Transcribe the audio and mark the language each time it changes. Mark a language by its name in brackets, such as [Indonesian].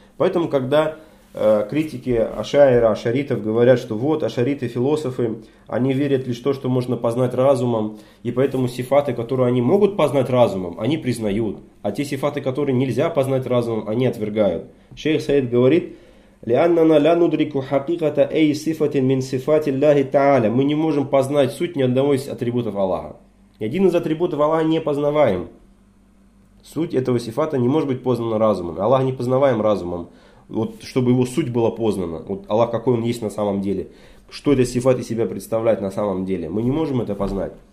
[Russian] Поэтому, когда критики Ашаира, Ашаритов говорят, что вот Ашариты, философы, они верят лишь то, что можно познать разумом, и поэтому сифаты, которые они могут познать разумом, они признают, а те сифаты, которые нельзя познать разумом, они отвергают. Шейх Саид говорит, [Arabic] لأننا لا ندرك حقيقة أي صفة من صفات الله تعالى. [Russian] Мы не можем познать суть ни одного из атрибутов Аллаха. Ни один из атрибутов Аллаха не познаваем. Суть этого сифата не может быть познана разумом. Аллах не познаваем разумом. Вот чтобы его суть была познана. Вот Аллах, какой он есть на самом деле. Что этот сифат из себя представляет на самом деле. Мы не можем это познать.